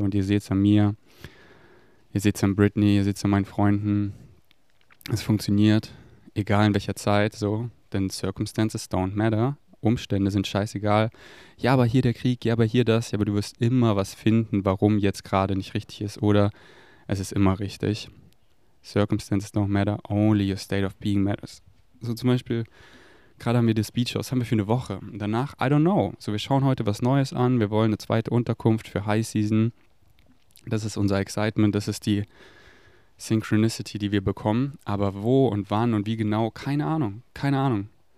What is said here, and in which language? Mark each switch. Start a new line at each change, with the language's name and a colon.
German: Und ihr seht es an mir, ihr seht es an Britney, ihr seht es an meinen Freunden. Es funktioniert. Egal in welcher Zeit, so, denn
English: Circumstances don't matter,
German: Umstände sind scheißegal. Ja, aber hier der Krieg, ja, aber hier das, ja, aber du wirst immer was finden, warum jetzt gerade nicht richtig ist oder es ist immer richtig.
English: Circumstances don't matter, only your state of being matters.
German: So zum Beispiel, gerade haben wir das Beach House, haben wir für eine Woche. Und danach,
English: I don't know,
German: so wir schauen heute was Neues an, wir wollen eine zweite Unterkunft für High Season. Das ist unser Excitement, das ist die Synchronicity, die wir bekommen, aber wo und wann und wie genau, keine Ahnung, keine Ahnung.